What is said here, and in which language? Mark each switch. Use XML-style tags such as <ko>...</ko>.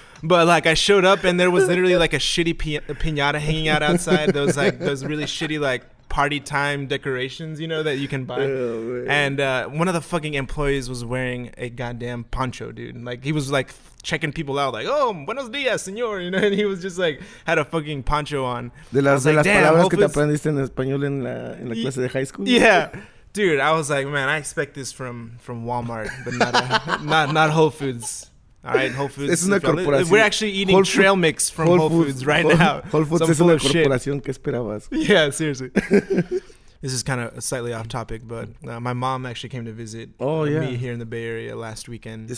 <en>But like I showed up and there was literally like a shitty piñata hanging out outside. Those like those really shitty like party time decorations, you know, that you can buy. Oh, and one of the fucking employees was wearing a goddamn poncho, dude. Like he was like checking people out, like, "Oh, buenos días, señor," you know. And he was just like had a fucking poncho on.</en> <es>De las palabras que te aprendiste en español en la clase de high school.</es> <en>Yeah. Dude, I was like, man, I expect this from Walmart, but not Whole Foods. All right, Whole Foods.</en> <es>Es una corporación.</es> <en>We're actually eating trail mix from Whole Foods right now.</en> <es>Whole Foods es una corporación. ¿Qué esperabas?</es> <en>Yeah, seriously. This is kind of slightly off topic, but my mom actually came to visit me here in the Bay Area last weekend.</en>